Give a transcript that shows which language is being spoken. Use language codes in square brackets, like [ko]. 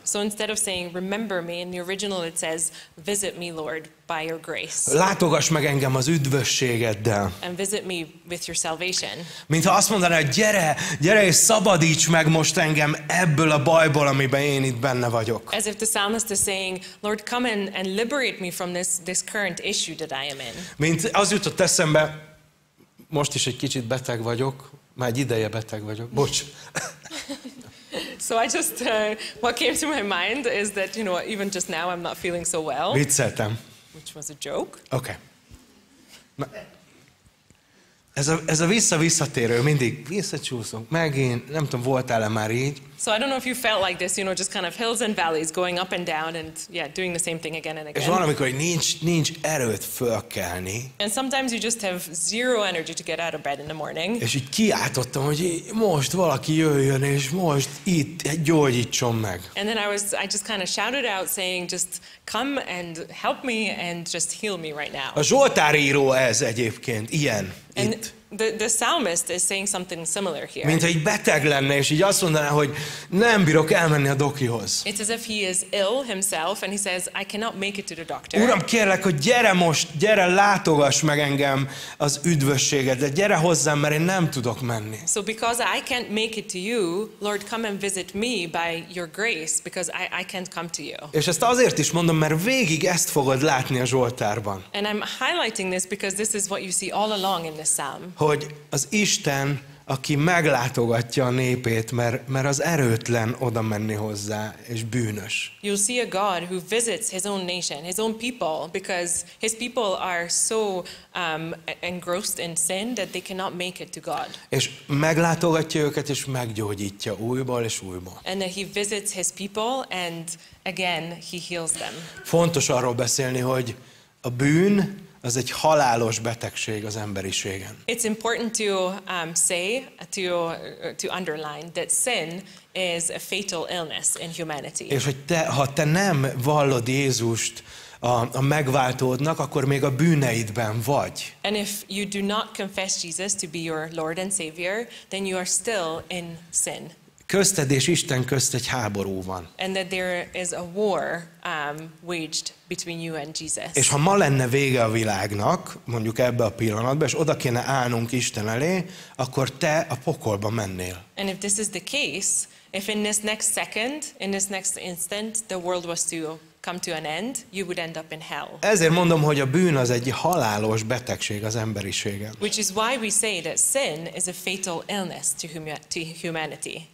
[en] So instead of saying remember me, in the original it says visit me, Lord, by your grace. [hu] Látogass meg engem az üdvösségeddel. [en] And visit me with your salvation. [hu] Mintha azt mondaná, hogy gyere és szabadíts meg most engem ebből a bajból, amiben én itt benne vagyok. [en] As if the psalmist is saying, Lord, come and liberate me from this current issue that I am in. [hu] Mint az jutott eszembe, most is egy kicsit beteg vagyok, már egy ideje beteg vagyok. Bocs. [en] So I just what came to my mind is that, you know, even just now I'm not feeling so well. [hu] Vicceltem. [en] Which was a joke. Okay. [hu] Ez a visszatérő mindig visszacsúszunk. Megint, nem tudom, voltál-e már így. [en] So I don't know if you felt like this, you know, just kind of hills and valleys going up and down and yeah, doing the same thing again and again. [hu] És valamikor nincs erőt fölkelni. [en] And sometimes you just have zero energy to get out of bed in the morning. [hu] És így kiáltottam, hogy most valaki jöjjön és most itt gyógyítson meg. [en] And then I just kind of shouted out saying just come and help me and just heal me right now. [hu] A Zsoltár író ez egyébként ilyen. [en] And the psalmist is saying something similar here. [hu] Mintha egy beteg lenne, és így azt mondaná, hogy nem bírok elmenni a dokihoz. [en] It's as if he is ill himself, and he says, I cannot make it to the doctor. [hu] Uram, kérlek, hogy gyere most, gyere látogass meg engem az üdvösségedre, gyere hozzám, mert én nem tudok menni. [en] So because I can't make it to you, Lord, come and visit me by your grace, because I can't come to you. [hu] És ezt azért is mondom, mert végig ezt fogod látni a Zsoltárban. [en] And I'm highlighting this because this is what you see all along in this psalm. [hu] Hogy az Isten, aki meglátogatja a népét, mert az erőtlen oda menni hozzá, és bűnös. [en] You'll see a God who visits his own nation, his own people, because his people are so engrossed in sin that they cannot make it to God. [hu] És meglátogatja őket, és meggyógyítja újból és újból. [en] And he visits his people, and again he heals them. [hu] Fontos arról beszélni, hogy a bűn az egy halálos betegség az emberiségen. [en] It's important to say to underline that sin is a fatal illness in humanity. [hu] És hogy ha te nem vallod Jézust a megváltódnak, akkor még a bűneidben vagy. [en] And if you do not confess Jesus to be your Lord and Savior, then you are still in sin. [hu] Közted és Isten közt egy háború van. [en] And that there is a war waged between you and Jesus. [hu] És ha ma lenne vége a világnak, mondjuk ebbe a pillanatban, és oda kéne állnunk Isten elé, akkor te a pokolba mennél. [en] And if this is the case, if in this next second, in this next instant, the world was to come to an end, you would end up in hell. [hu] Ezért mondom, hogy a bűn az egy halálos betegség az emberiségen. [en] Which is why we say that sin is a fatal illness to humanity.